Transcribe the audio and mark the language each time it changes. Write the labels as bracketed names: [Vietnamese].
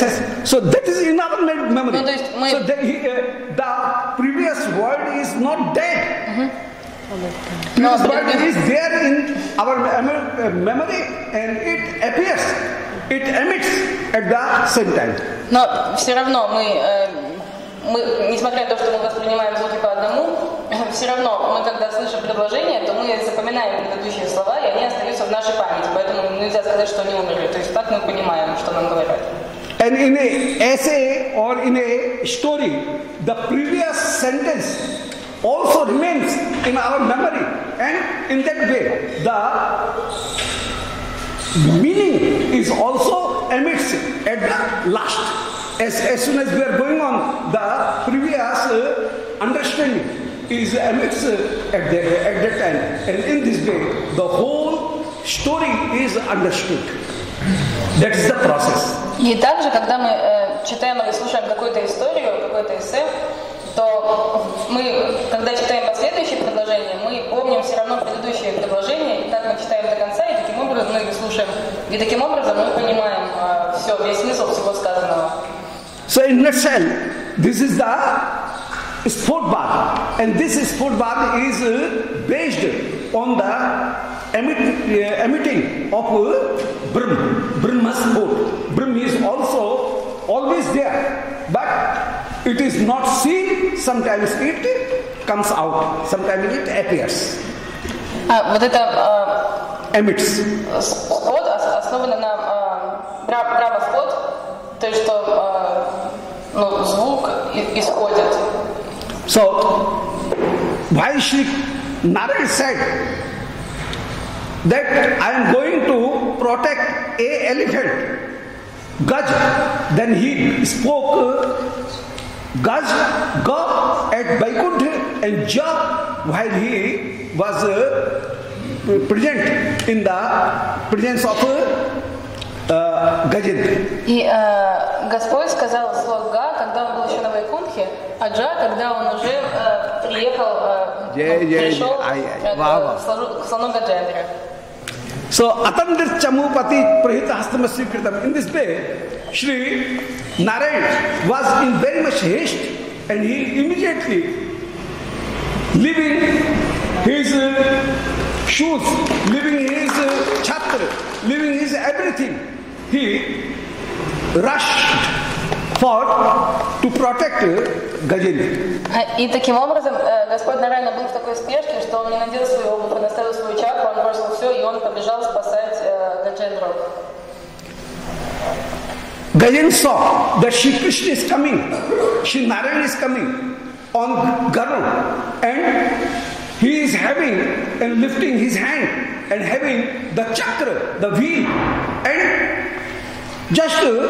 [English] Yes, yes, yes. So that is in our memory. No, my... So the previous word is not dead. Mm-hmm. Previous word is there in our memory, and it appears, it emits at the same time. [Russian] Но все равно мы несмотря на то, что мы воспринимаем звуки по одному, все равно мы когда слышим предложение, то мы запоминаем предыдущие слова, и они остаются в нашей памяти. Поэтому нельзя сказать, что они умерли. То есть так мы понимаем, что нам говорят. [English] And in a essay or in a story, the previous sentence also remains in our memory, and in that way the meaning is also emits at the last. As soon as we are going on, the previous understanding is emits at that time, and in this way the whole story is understood. That is the process. [Russian] И также, когда мы читаем или слушаем какую-то историю, какой-то эссе, то мы, когда читаем последующее предложение, мы помним все равно предыдущее предложение, и так мы читаем до конца, и таким образом мы его слушаем. И таким образом мы понимаем все, весь смысл всего сказанного. [English] So in nutshell, this is the sport bar. And this sport bar is based on the emitting of Brahma, Brahma's boat. Brahma is also always there, but it is not seen. Sometimes it comes out, sometimes it appears. [Russian] Вот это [English] emits. [Russian] Вот основано на Brahma вход, то есть что звук исходит. [English] So why Shri Narayan said that I am going to protect a elephant, Gaj. Then he spoke Gaj, Ga at Vaikunth and Ja while he was present in the presence of Gajendra. [Russian] И Господь сказал слово Га, когда он был еще на Вайкунтхе, а Джа, когда он уже приехал, пришел к слону Гаджендра. [English] So [Sanskrit] Atandir Chamupati Prahita Hastama Srikritam. [English] In this way, Shri Narayan was in very much haste, and he immediately leaving his shoes, leaving his chhatra, leaving his everything, he rushed for to protect Gajendra. [Russian] И таким образом Господь Нарайана был в такой спешке, что он не надел свою обувь, он оставил свою чакру, он бросил все, и он побежал спасать Гаджендру. [English] Gajendra saw that Shri Krishna is coming, Shri Narayan is coming on Garuda, and he is having and lifting his hand and having the chakra, the wheel, and just